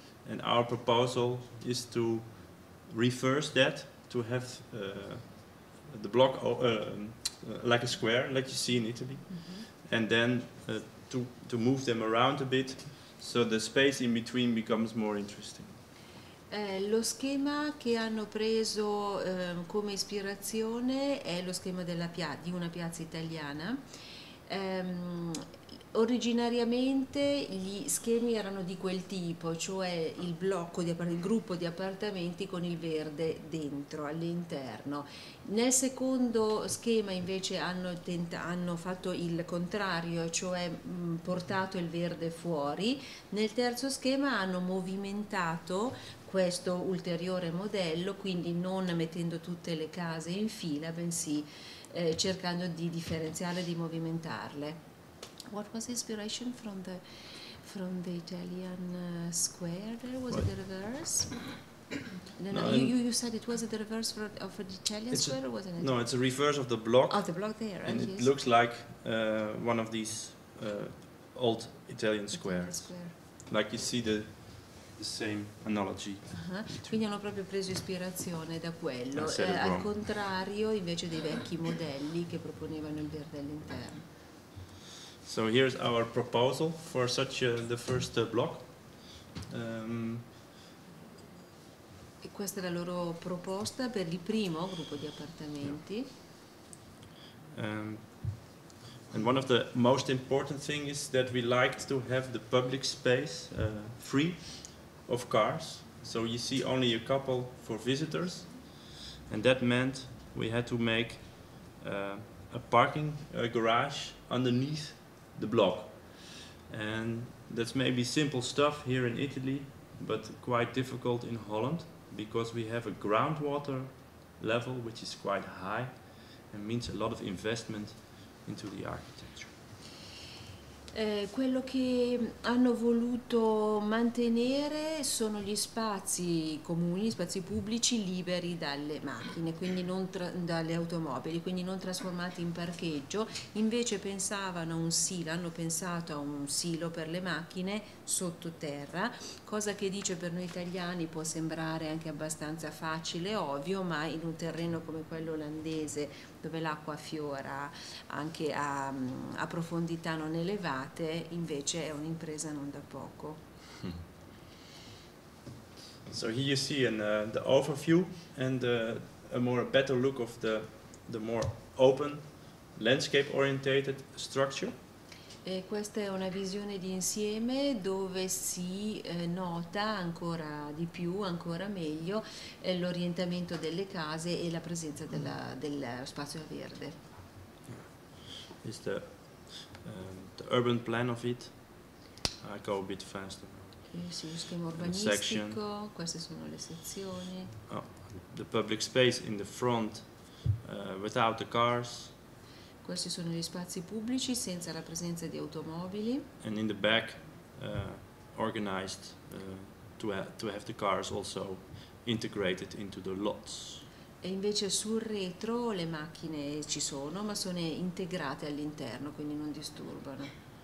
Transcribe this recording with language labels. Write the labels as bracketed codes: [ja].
[en] And our proposal is to reverse that, to have the block like a square, like you see in Italy. Mm-hmm. And then to move them around a bit, so the space in between becomes more interesting. [it] Lo schema che hanno preso come ispirazione è lo schema della di una piazza italiana. Originariamente gli schemi erano di quel tipo, cioè il blocco di il gruppo di appartamenti con il verde dentro, all'interno. Nel secondo schema invece hanno fatto il contrario, cioè portato il verde fuori. Nel terzo schema hanno movimentato questo ulteriore modello, quindi non mettendo tutte le case in fila, bensì cercando di differenziare, di movimentarle. [en] What was the inspiration from the Italian square there? Was it the reverse? No, you said it was the reverse of the Italian square, wasn't it? No, it's a reverse of the block. Oh, the block there. And right, it yes. looks like one of these old Italian squares. Square. Like you see the same analogy. Uh-huh. [it] Quindi hanno proprio preso ispirazione da quello, al contrario invece dei vecchi modelli che proponevano il verde all'interno. [en] So here's our proposal for such the first block. [it] E questa è la loro proposta per il primo gruppo di appartamenti. [en] And one of the most important things is that we liked to have the public space free of cars. So you see only a couple for visitors. And that meant we had to make a parking garage underneath the block. And that's maybe simple stuff here in Italy, but quite difficult in Holland, because we have a groundwater level which is quite high and means a lot of investment into the architecture. [it] Quello che hanno voluto mantenere sono gli spazi comuni, gli spazi pubblici liberi dalle macchine, quindi non dalle automobili, quindi non trasformati in parcheggio. Invece pensavano a un silo, hanno pensato a un silo per le macchine sottoterra, cosa che dice per noi italiani può sembrare anche abbastanza facile, ovvio, ma in un terreno come quello olandese, dove l'acqua fiora anche a profondità non elevate, invece è un'impresa non da poco. [en] So here you see an the overview and a more better look of the more open landscape orientated structure. [it] E questa è una visione di insieme dove si nota ancora di più, ancora meglio, l'orientamento delle case e la presenza del spazio verde. [en] Is the urban plan of it? I go a bit faster. [it] Sì, lo schema urbanistico, queste sono le sezioni. [en] Oh, the public space in the front without the cars. [it] Questi sono gli spazi pubblici senza la presenza di automobili. [en] And in the back, organized to have the cars also integrated into the lots. [it] E invece sul retro le macchine ci sono, ma sono integrate all'interno, quindi non disturbano.